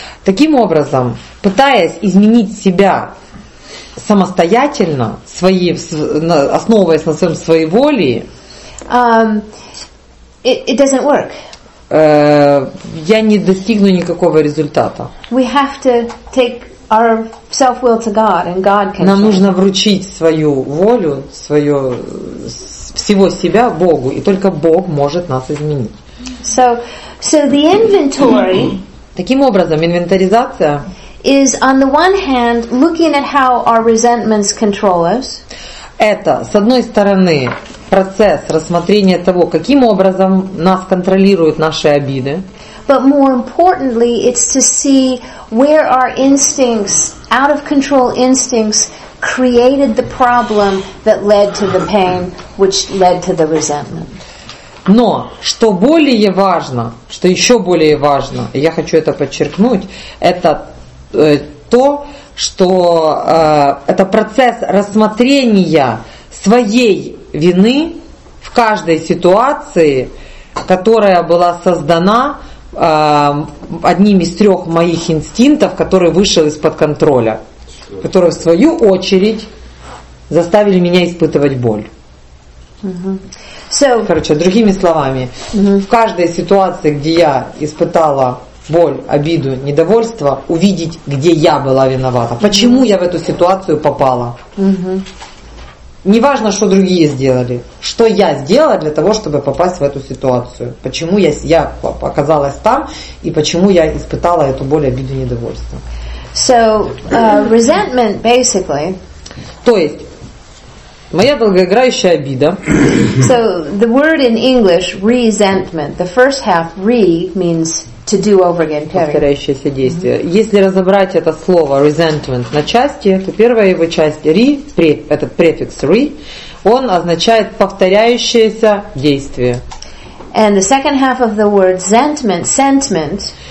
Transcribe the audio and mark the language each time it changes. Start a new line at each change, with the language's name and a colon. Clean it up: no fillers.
Russian: Таким образом, пытаясь изменить себя самостоятельно, основываясь на своем своей воле,
English: it doesn't work.
Russian: Я не достигну никакого результата.
English: We have to take our self-will to God, and God can.
Russian: Нам нужно вручить свою волю, свое всего себя Богу, и только Бог может нас изменить.
English: So the inventory.
Russian: Таким образом, инвентаризация.
English: Is on the one hand looking at how our resentments control us.
Russian: Это, с одной стороны, процесс рассмотрения того, каким образом нас контролируют наши обиды.
English: but more importantly, it's to see where our instincts, out of control instincts, created the problem that led to the pain, which led to the resentment.
Russian: Но что более важно, что еще более важно, я хочу это подчеркнуть, это то, что это процесс рассмотрения своей вины в каждой ситуации, которая была создана одним из трех моих инстинктов, который вышел из-под контроля, которые в свою очередь заставили меня испытывать боль. Короче, другими словами, в каждой ситуации, где я испытала боль, обиду, недовольство, увидеть, где я была виновата, почему я в эту ситуацию попала. Не важно, что другие сделали, что я сделала для того, чтобы попасть в эту ситуацию, почему я оказалась там и почему я испытала эту боль, обиду, недовольство.
English: So, resentment, basically.
Russian: То есть, моя долгоиграющая обида.
English: So the word in English resentment, the first half re means to do over again.
Russian: Повторяющееся действие. Mm-hmm. Если разобрать это слово resentment на части, то первая его часть re, этот префикс re, он означает повторяющееся действие.
English: And the second half of the word sentiment, sentiment.